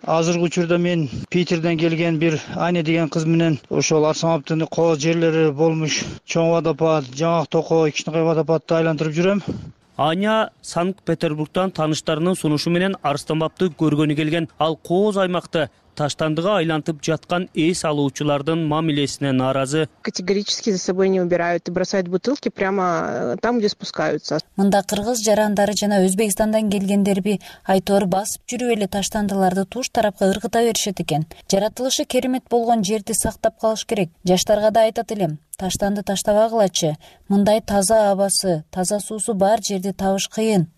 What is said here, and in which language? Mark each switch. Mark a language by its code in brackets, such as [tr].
[ky] Азыркы учурда мен Питерден келген бир Аня деген кыз менен ошол Арсамаптын кооз жерлери болмуш чоң водопад, жаңак токо, кичинекей водопадды айлантырып жүрөм. Аня Санкт-Петербургтан тааныштарынын сунушу менен Арстанбапты көргөнү келген. Ал кооз аймакты таштандыга айлантып жаткан эс алуучулардын мамилесине нааразы. [ru] Категорически за собой не убирают и бросают бутылки прямо там, где спускаются. [ky] Мында кыргыз жарандары жана Өзбекстандан келгендерби айтор басып жүрүп эле таштандыларды туш тарапка ыргыта беришет экен. Жаратылышы керемет болгон жерди сактап калыш керек. Жаштарга да айтат элем. Таштанды таштабагылачы. Мындай таза абасы, таза суусу бар жерди табыш кыйын.